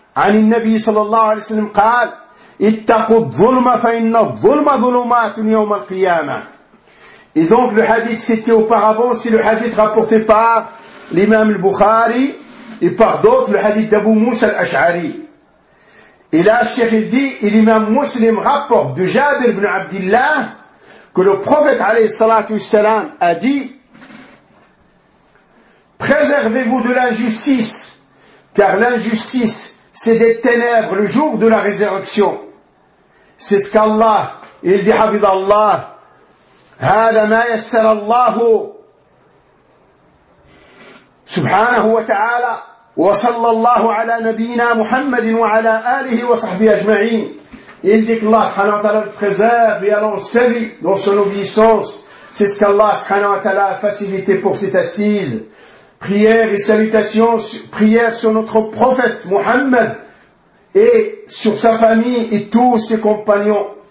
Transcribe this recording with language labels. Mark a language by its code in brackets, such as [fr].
[ar] عن النبي صلى الله عليه وسلم قال اتقوا الظلم فإن الظلم ظلمات يوم القيامة. [fr] Et donc le hadith cité auparavant, c'est le hadith rapporté par l'imam al-Bukhari et par d'autres, le hadith d'Abu Moussa al-Ash'ari. Et là, Cheikh il dit, et l'imam muslim rapporte de Jabir ibn Abdillah que le prophète [ar] عليه الصلاة والسلام [fr] a dit préservez-vous de l'injustice car l'injustice c'est des ténèbres le jour de la résurrection. C'est ce qu'Allah, il dit, habib Allah, [ar] هذا ما يسر الله سبحانه وتعالى وصلى الله على نبينا محمد وعلى آله وصحبه أجمعين. [fr] Il dit qu'Allah subhanahu wa ta'ala préserve et allonge sa vie dans son obéissance. C'est ce qu'Allah subhanahu wa ta'ala a facilité pour cette assise. Prière et salutations, prière sur notre prophète Mohammed et sur sa famille et tous ses compagnons.